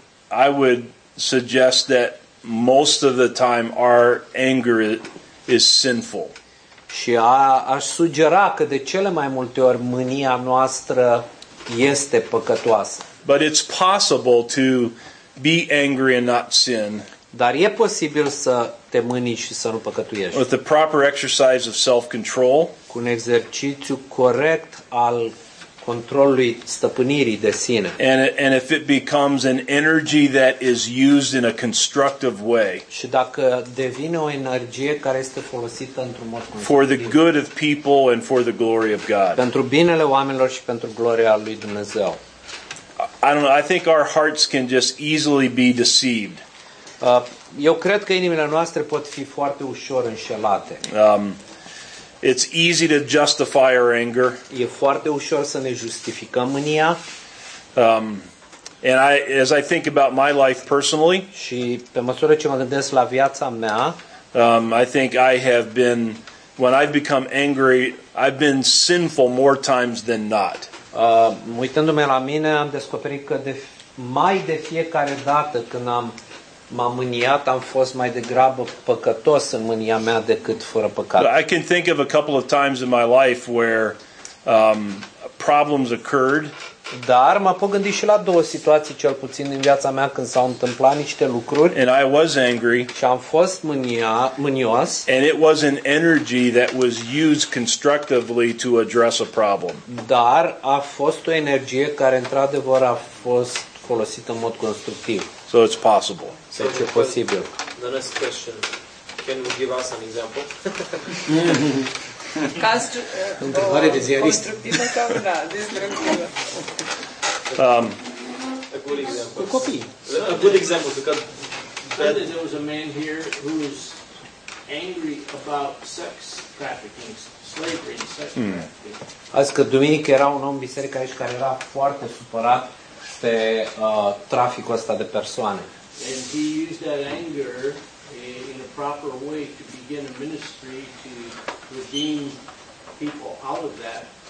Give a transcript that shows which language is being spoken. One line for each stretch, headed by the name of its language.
English: I would suggest that most of the time our anger is sinful.
Romanian: Și aș sugera că de cele mai multe ori mânia noastră este păcătoasă.
English: But it's possible to be angry and not sin.
Romanian: Dar e posibil să te mâni și să nu păcătuiești.
English: With the proper exercise of self-control,
Romanian: cu un exercițiu corect al controlului stăpânirii de sine.
English: And if it becomes an energy that is used in a constructive way,
Romanian: și dacă devine o energie care este folosită într-un mod constructiv,
English: for the good of people and for the glory of God,
Romanian: pentru binele oamenilor și pentru gloria lui Dumnezeu.
English: I don't know, I think our hearts can just easily be deceived.
Romanian: Eu cred că inimile noastre pot fi foarte ușor înșelate.
English: It's easy to justify our anger.
Romanian: E foarte ușor să ne justificăm mânia.
English: And I, as I think about my life personally,
Romanian: și pe măsură ce mă gândesc la viața mea,
English: I think I have been, when I've become angry, I've been sinful more times than not.
Romanian: Uitându-mă la mine, am descoperit că mai de fiecare dată când m-am mâniat, am fost mai degrabă păcătos în mânia mea decât fără păcat.
English: I can think of a couple of times in my life where problems occurred.
Romanian: Dar mă pot gândi și la două situații cel puțin în viața mea când s-au întâmplat niște lucruri.
English: And I was angry.
Romanian: Și am fost mânios.
English: And it was an energy that was used constructively to address a problem.
Romanian: Dar a fost o energie care într-adevăr a fost folosită în mod constructiv.
English: So it's possible.
Romanian: Deci e posibil.
English: The next question. Can you give us an example?
Romanian: Întrebare de ziarist. Constructivă sau da, destructivă.
English: A good example.
Romanian: Cu copii.
English: A good example. There was a man here who was angry about sex trafficking, slavery, sex trafficking.
Romanian: Azi că duminică era un om biserică aici care era foarte supărat pe traficul ăsta de persoane.
English: And he used that anger in a proper way to begin a ministry to redeem people out of that